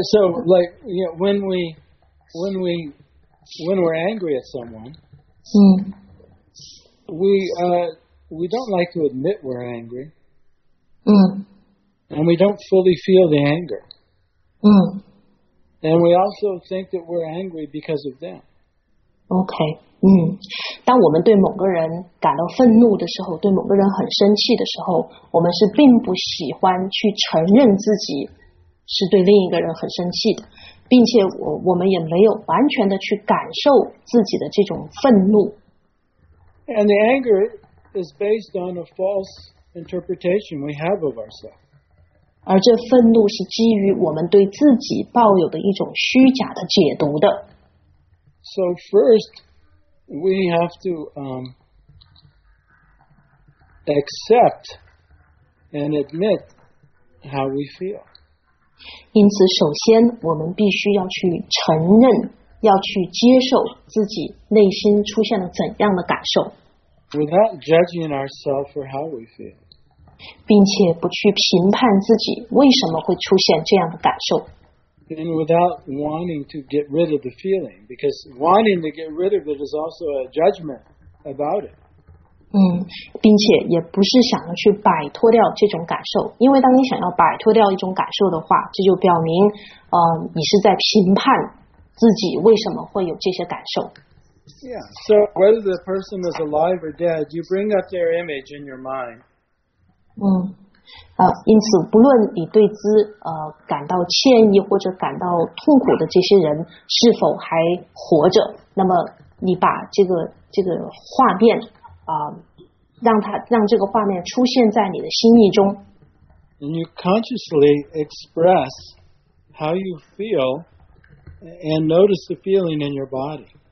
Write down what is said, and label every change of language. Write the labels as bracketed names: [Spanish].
[English] So like, you know, when we're angry at someone, we don't like to admit we're angry. And we don't fully feel the anger. And we also think that we're angry because of them. Okay. [Chinese] 当我们对某个人感到愤怒的时候，对某个人很生气的时候，我们是并不喜欢去承认自己是对另一个人很生气的，并且我们也没有完全的去感受自己的这种愤怒。 [English] And the anger is based on a false interpretation we have of ourselves. [Chinese] 而这愤怒是基于我们对自己抱有的一种虚假的解读的。 [English] So first,we have to accept and admit how we feel. [Chinese] 因此首先我们必须要去承认，要去接受自己内心出现了怎样的感受。 [English] Without judging ourselves for how we feel. [Chinese] 并且不去评判自己为什么会出现这样的感受。 [English] And without wanting to get rid of the feeling, because wanting to get rid of it is also a judgment about it. [Chinese] 并且也不是想要去摆脱掉这种感受，因为当你想要摆脱掉一种感受的话，这就表明，你是在评判自己为什么会有这些感受。 [English] Yeah. So whether the person is alive or dead, you bring up their image in your mind. [Chinese] 因此不论你对之感到歉意或者感到痛苦的这些人是否还活着，那么你把这个画面让这个画面出现在你的心意中。 [English] And you consciously express how you feel and notice the feeling in your body.